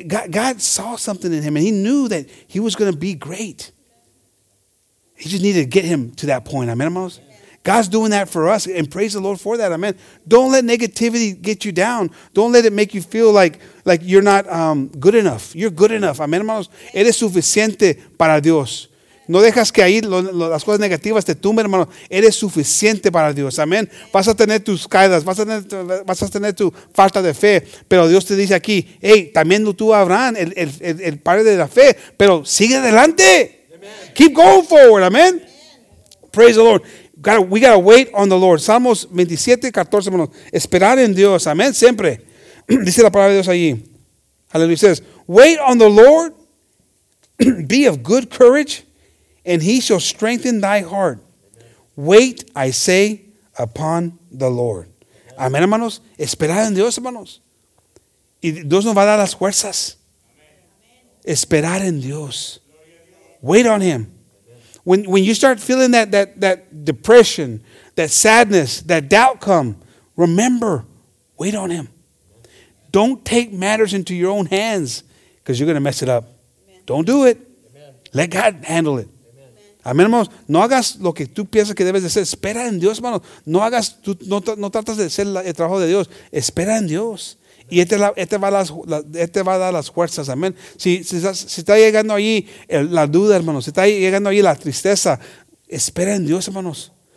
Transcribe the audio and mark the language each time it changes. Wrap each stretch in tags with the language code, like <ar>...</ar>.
<en>God saw something in him and he knew that he was going to be great. He just needed to get him to that point. Amen, hermanos? God's doing that for us, and praise the Lord for that. Amen. Don't let negativity get you down. Don't let it make you feel like you're not good enough. You're good enough.</en> <es>Amen, hermanos. Eres suficiente para Dios. No dejas que ahí las cosas negativas te tumben, hermano. Eres suficiente para Dios. Amén. Vas a tener tus caídas. Vas a tener tu falta de fe. Pero Dios te dice aquí, hey, también lo tuvo Abraham, el padre de la fe. Pero sigue adelante.</es> <en>Amen. Keep going forward. Amén. Praise the Lord. We gotta wait on the Lord.</en> <es>Salmos 27, 14, hermanos. Esperar en Dios. Amén. Siempre. Dice la palabra de Dios allí. Aleluya.</es> <en>Says, wait on the Lord. Be of good courage. And he shall strengthen thy heart. Wait, I say, upon the Lord. Amén, hermanos.</en> <es>Esperar en Dios, hermanos. Y Dios nos va a dar las fuerzas. Esperar en Dios.</es> <en>Wait on him. When you start feeling that depression, that sadness, that doubt come, remember, wait on him. Don't take matters into your own hands because you're going to mess it up. Amen. Don't do it. Amen. Let God handle it. Amén, hermanos.</en> <es>No hagas lo que tú piensas que debes de hacer. Espera en Dios, hermanos. No hagas, no tratas de hacer el trabajo de Dios. Espera en Dios. Y este va a dar las fuerzas, amén. Si está llegando allí la duda, hermanos, si está llegando allí la tristeza, espera en Dios, hermanos.</es>